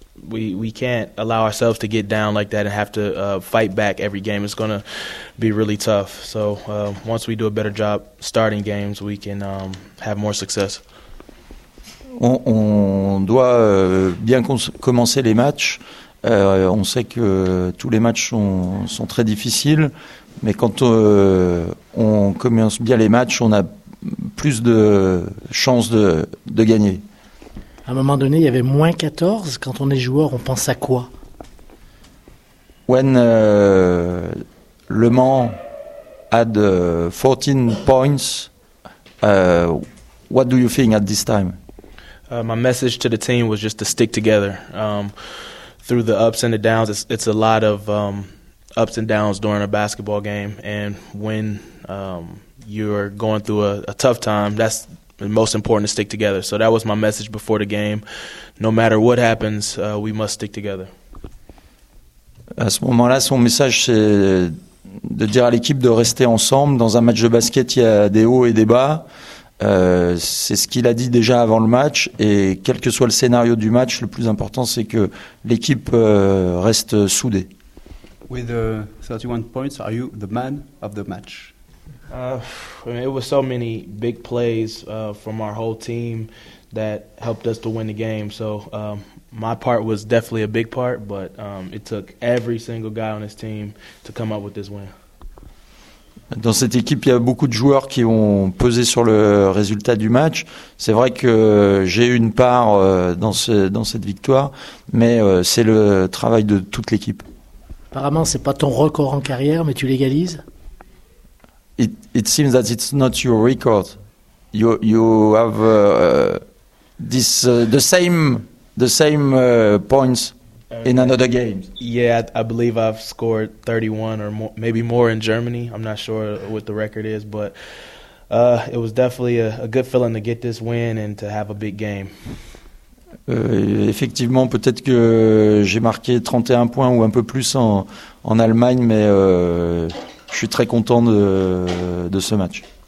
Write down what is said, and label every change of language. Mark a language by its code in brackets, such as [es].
[en] We can't allow ourselves to get down like that and have to fight back every game. It's going to be really tough. So once we do a better job starting games, we can have more success. [fr] On doit bien commencer les matchs. On sait que tous les matchs sont très difficiles, mais quand on commence bien les matchs, on a plus de chances de gagner. À un moment donné, il y avait moins 14. Quand on est joueur, on pense à quoi? [en] When Le Mans had 14 points, what do you think at this time? My message to the team was just to stick together. Through the ups and the downs, it's a lot of ups and downs during a basketball game. And when you're going through a tough time, that's the most important, to stick together. So that was my message before the game. No matter what happens, we must stick together. [fr] À ce moment-là, son message, c'est de dire à l'équipe de rester ensemble. Dans un match de basket, il y a des hauts et des bas. C'est ce qu'il a dit déjà avant le match, et quel que soit le scénario du match, le plus important, c'est que l'équipe reste soudée. [en] With 31 points, are you the man of the match? I mean, it was so many big plays from our whole team that helped us to win the game. So my part was definitely a big part, but it took every single guy on his team to come up with this win. [fr] Dans cette équipe, il y a beaucoup de joueurs qui ont pesé sur le résultat du match. C'est vrai que j'ai eu une part dans cette victoire, mais c'est le travail de toute l'équipe. Apparemment, c'est pas ton record en carrière, mais tu l'égalises. [en] It seems that it's not your record. You have the same points in another game. Yeah, I believe I've scored 31 or more, maybe more in Germany. I'm not sure what the record is, but it was definitely a good feeling to get this win and to have a big game. [fr] Effectivement, peut-être que j'ai marqué 31 points ou un peu plus en Allemagne, mais je suis très content de ce match.